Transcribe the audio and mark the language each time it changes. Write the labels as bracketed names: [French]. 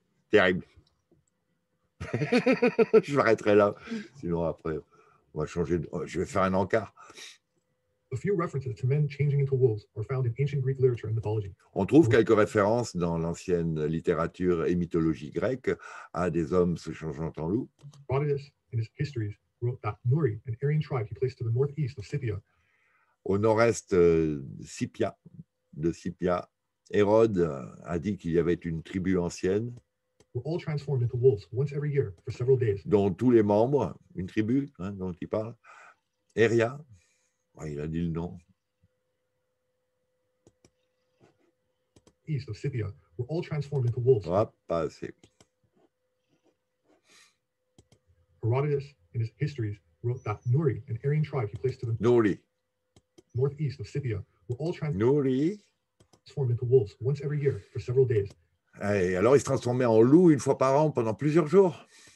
[French] Terrible. Je m'arrêterai là, sinon après, on va changer, je vais faire un encart. [English] A few references to men changing into wolves are found in ancient Greek literature and mythology. [French] On trouve quelques références dans l'ancienne littérature et mythologie grecque à des hommes se changeant en loup. [English] Herodotus, in his histories, wrote that Nuri, an Aryan tribe he placed to the northeast of Scythia. [French] Au nord-est de Scythia, Hérode a dit qu'il y avait une tribu ancienne. [English] Were all transformed into wolves once every year for several days. [French] Dont tous les membres, une tribu hein, dont il parle, Eria. Ah, il a dit le nom. [English] East of Scythia, were all transformed into wolves. [French] Hop, pas assez. [English] Herodotus, in his histories, wrote that Nuri, an Aryan tribe, he placed to the Nuri. Northeast of Scythia, were all transformed into wolves once every year for several days. [French] Et alors ils se transformaient en loup une fois par an pendant plusieurs jours.